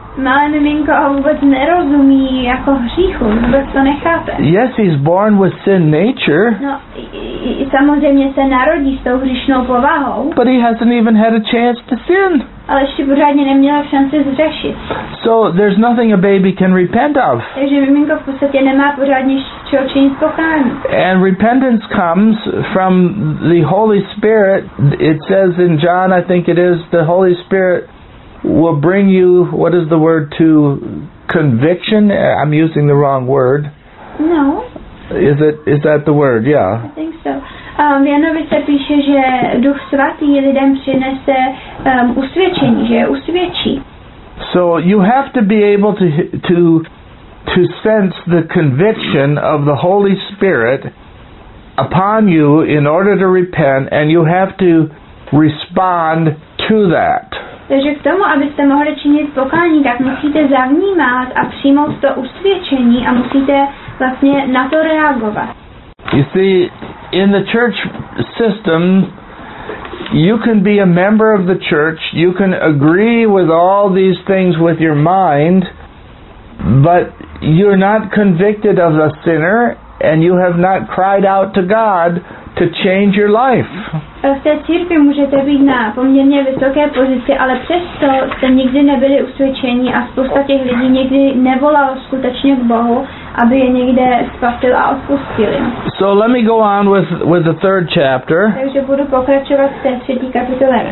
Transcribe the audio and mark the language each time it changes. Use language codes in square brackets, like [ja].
[cs] Malé miminko vůbec nerozumí jako hříchu, vůbec to nechápe. [en] Yes, he's born with sin nature. [cs] No, samozřejmě se narodí s tou hříšnou povahou. [en] But he hasn't even had a chance to sin. [cs] Ale ještě pořádně neměl šanci zřešit. [en] So there's nothing a baby can repent of. [cs] Takže miminko v podstatě nemá pořádně čeho činit pokání. [en] And repentance comes from the Holy Spirit. It says in John, I think it is, the Holy Spirit will bring you, what is the word, to conviction? I'm using the wrong word. No. Is that the word? Yeah. I think so. [cs] V Janovi se píše, že Duch Svatý lidem přinese usvědčení, že je usvědčí. [en] So you have to be able to sense the conviction of the Holy Spirit upon you in order to repent, and you have to respond to that. [cs] Takže k tomu, abyste mohli činit pokání, tak musíte zavnímat a přijmout to usvědčení a musíte vlastně na to reagovat. [en] You see, in the church system, you can be a member of the church, you can agree with all these things with your mind, but you're not convicted of a sinner and you have not cried out to God to change your life. [cs] V té církvi můžete být na poměrně vysoké pozici, ale přesto jste nikdy nebyli usvědčeni a spousta těch lidí nikdy nevolalo skutečně k Bohu, aby je někde spasil a odpustil. [en] So let me go on with the third chapter. [cs] Takže budu pokračovat v té třetí kapitole.